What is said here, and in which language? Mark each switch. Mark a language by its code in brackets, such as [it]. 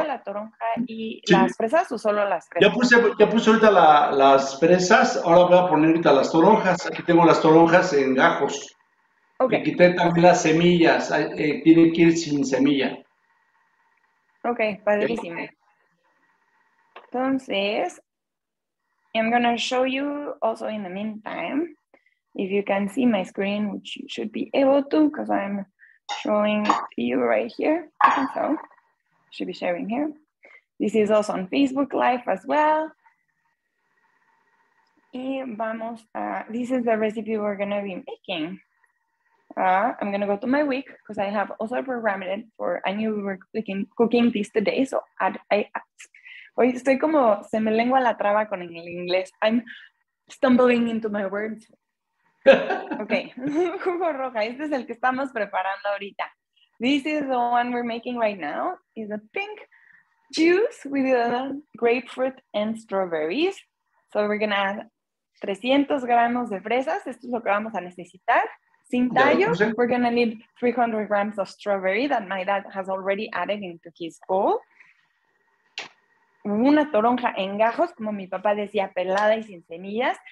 [es] La toronja y sí. Las fresas o solo las fresas. Ya puse ahorita las fresas, ahora voy a poner ahorita las toronjas. Aquí tengo las toronjas en gajos. Okay. Me quité también las semillas, tiene que ir sin semilla. Ok, padrísimo. Entonces, [en] I'm going to show you also in the meantime, if you can see my screen, which you should be able to, because I'm showing you right here. I think so. Should be sharing here. This is also on Facebook Live as well. [es] Y vamos a, [en] this is the recipe we're going to be making. I'm going to go to my week because I have also programmed it for, I knew we were cooking this today. [es] So hoy estoy como, se me lengua la traba con el inglés. [en] I'm stumbling into my words. [es] Ok, jugo roja, este es el que estamos preparando ahorita. [en] This is the one we're making right now. It's a pink juice with grapefruit and strawberries. So we're going to add 300 [es] gramos de fresas. Esto es lo que vamos a necesitar. Sin tallo, [en] we're going to need 300 grams of strawberry that my dad has already added into his bowl. [es] Una toronja en gajos, como mi papá decía, pelada y sin semillas.